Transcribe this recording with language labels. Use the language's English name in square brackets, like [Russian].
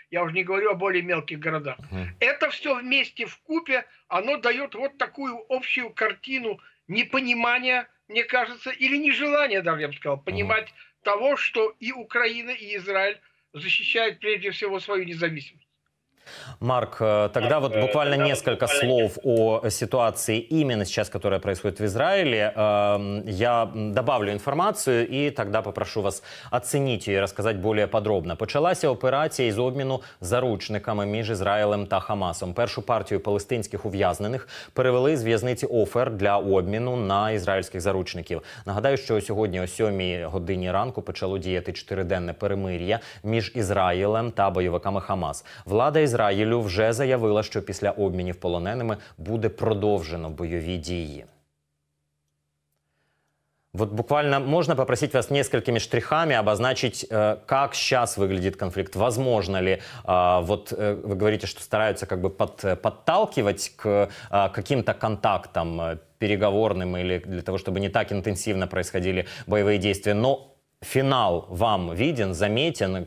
[Russian] Я уже не говорю о более мелких городах. Это все вместе вкупе, оно дает вот такую общую картину непонимания, мне кажется, или нежелания, даже я бы сказал, понимать того, что и Украина, и Израиль защищают прежде всего свою независимость. Марк, тогда вот буквально несколько слов о ситуации именно сейчас, которая происходит в Израиле. Я добавлю информацию и тогда попрошу вас оценить ее и рассказать более подробно. [Ukrainian] Почалась операция из обмену заручниками між Израилем та Хамасом. Першу партію палестинських ув'язнених перевели з в'язниці Офер для обміну на ізраїльських заручників. Нагадаю, що сьогодні о 7 годині ранку почало діяти чотириденне перемир'я між Ізраїлем та бойовиками Хамас. Влада Ізраїлю вже заявила, що після обмінів полоненими буде продовжено бойові дії. [Russian] Вот буквально можно попросить вас несколькими штрихами обозначить, как сейчас выглядит конфликт? Возможно ли, вот вы говорите, что стараются как бы подталкивать к каким-то контактам переговорным или для того, чтобы не так интенсивно происходили боевые действия, но финал вам виден, заметен?